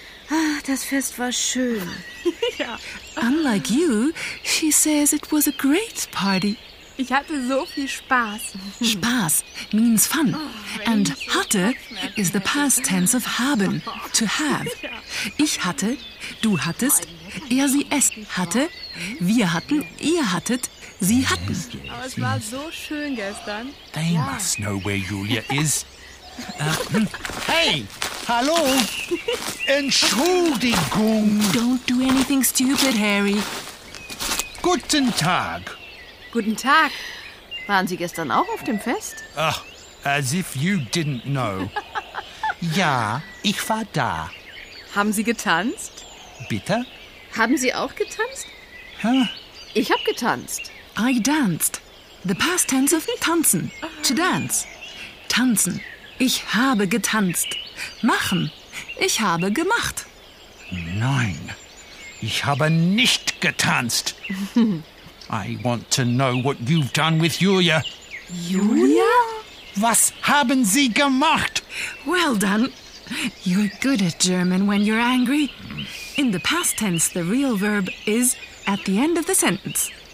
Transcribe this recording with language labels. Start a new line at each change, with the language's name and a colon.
German: Ah, das Fest war schön. Ja.
English: Unlike you, she says it was a great party.
German: Ich hatte so viel Spaß.
English: Spaß means fun. Oh, and hatte is the past tense of haben, to have.
German: Ich hatte, du hattest, er, sie, es hatte, wir hatten, ihr hattet, sie hatten. Aber es war so schön gestern.
English: They must know where Julia is. Hey,
German: hallo, Entschuldigung.
English: Don't do anything stupid, Harry.
German: Guten Tag. Guten Tag. Waren Sie gestern auch auf dem Fest?
English: Ugh, as if you didn't know.
German: Ja, ich war da. Haben Sie getanzt? Bitte? Haben Sie auch getanzt? Huh? Ich hab getanzt.
English: I danced. The past tense of tanzen. To dance.
German: Tanzen. Ich habe getanzt. Machen. Ich habe gemacht. Nein, ich habe nicht getanzt.
English: I want to know what you've done with Julia. Julia?
German: Was haben Sie gemacht?
English: Well done. You're good at German when you're angry. In the past tense, the real verb is at the end of the sentence.